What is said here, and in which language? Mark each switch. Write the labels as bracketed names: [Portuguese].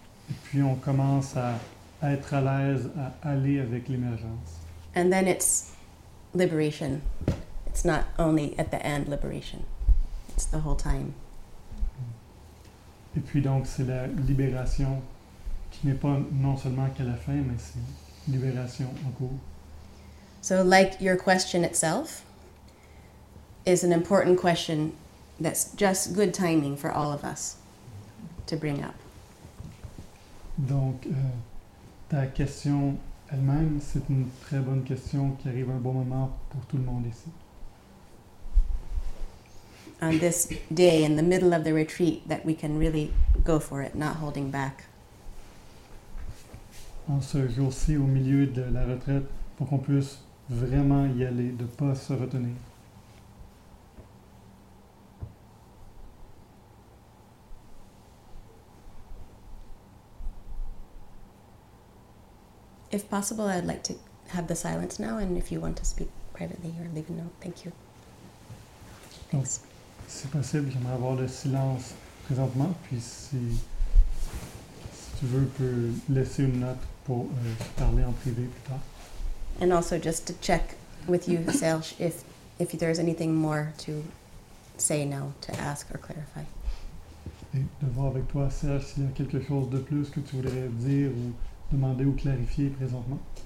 [French] Et puis on commence à être à l'aise, à aller avec l'émergence. [English] And then it's liberation. It's not only at the end liberation. It's the whole time. [French] Et puis donc c'est la libération qui n'est pas non seulement qu'à la fin, mais c'est libération en cours. [English] So like your question itself is an important question that's just good timing for all of us to bring up. [French] Donc, ta question elle-même, c'est une très bonne question qui arrive à un bon moment pour tout le monde ici. [English] On this day, in the middle of the retreat, that we can really go for it, not holding back. [French] En ce jour-ci, au milieu de la retraite, pour qu'on puisse vraiment y aller, de ne pas se retenir. [English] If possible, I'd like to have the silence now, and if you want to speak privately or leave a note, thank you. [French] Donc, si possible, j'aimerais avoir le silence présentement, puis si tu veux, peux laisser une note pour parler en privé plus tard. [English] And also just to check with you, Serge, if there's anything more to say now, to ask or clarify. [French] Et de voir avec toi, Serge, s'il y a quelque chose de plus que tu voudrais dire ou demander ou clarifier présentement.